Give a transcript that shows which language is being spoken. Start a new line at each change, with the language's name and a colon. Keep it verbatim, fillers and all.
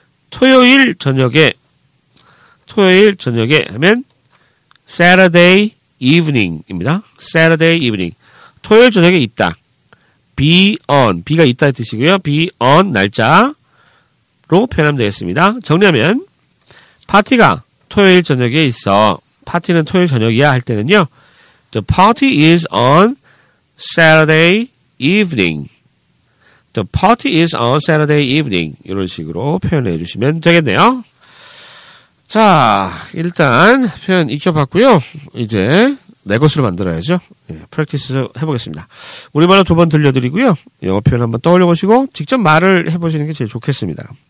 Korean: 토요일 저녁에 토요일 저녁에 하면
English: Saturday evening
Korean: 입니다.
English: Saturday evening.
Korean: 토요일 저녁에 있다.
English: Be on.
Korean: B가 있다의 뜻이고요.
English: Be on
Korean: 날짜로 표현하면 되겠습니다. 정리하면 파티가 토요일 저녁에 있어. 파티는 토요일 저녁이야 할 때는요.
English: The party is on Saturday evening. The party is on Saturday evening.
Korean: 이런 식으로 표현해 주시면 되겠네요. 자, 일단 표현 익혀봤고요. 이제 내 것으로 만들어야죠. 예, 프랙티스 해보겠습니다. 우리말로 두 번 들려드리고요. 영어 표현 한번 떠올려보시고 직접 말을 해보시는 게 제일 좋겠습니다.